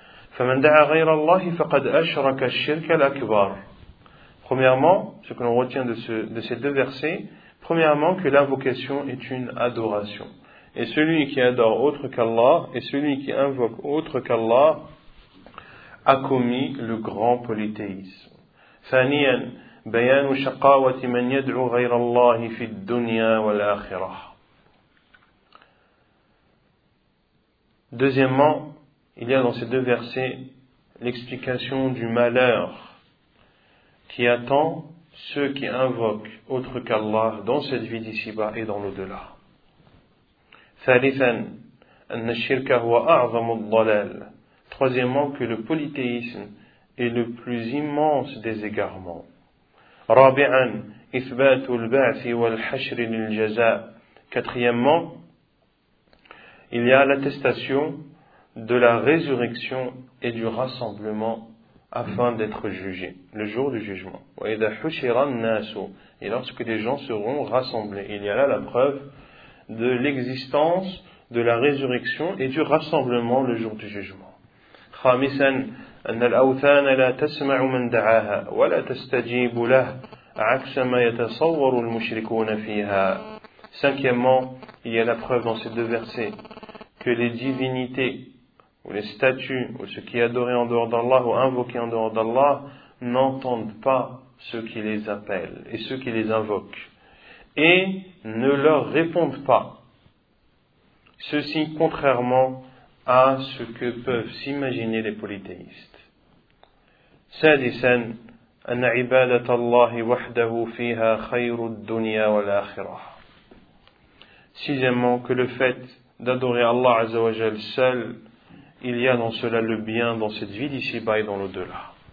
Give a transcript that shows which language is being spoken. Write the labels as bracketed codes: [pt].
[ar] فمن دعا غير الله فقد أشرك الشرك الأكبر. [fr] Premièrement, ce que l'on retient de ces deux versets, premièrement que l'invocation est une adoration. Et celui qui adore autre qu'Allah, et celui qui invoque autre qu'Allah, a commis le grand polythéisme. [ar] Thaniyan, بيان شقاوة من يدعو غير الله في الدنيا والآخرة. [fr] Deuxièmement, il y a dans ces deux versets l'explication du malheur qui attend ceux qui invoquent autre qu'Allah dans cette vie d'ici-bas et dans l'au-delà. [ar] ثالثا أن الشرك هو أعظم الضلال. [fr] Troisièmement, que le polythéisme est le plus immense des égarements. [ar] رابعا إثبات البعث والحشر للجزاء. [fr] Quatrièmement, il y a l'attestation de la résurrection et du rassemblement afin d'être jugé, le jour du jugement. [ar] وإذا حشر الناس, [fr] et lorsque les gens seront rassemblés, il y a là la preuve de l'existence de la résurrection et du rassemblement le jour du jugement. [ar] خامسا أن الأوثان لا تسمع من دعاها ولا تستجيب له عكس ما يتصور المشركون فيها. [fr] Cinquièmement, il y a la preuve dans ces deux versets que les divinités ou les statues ou ceux qui adoraient en dehors d'Allah ou invoquaient en dehors d'Allah n'entendent pas ceux qui les appellent et ceux qui les invoquent et ne leur répondent pas. Ceci contrairement à ce que peuvent s'imaginer les polythéistes. [ar] سادسا أن عبادة الله وحده فيها خير الدنيا والآخرة. [fr] Sixièmement, que le fait d'adorer Allah Azza wa Jal seul, il y a dans cela le bien dans cette vie d'ici-bas et dans l'au-delà.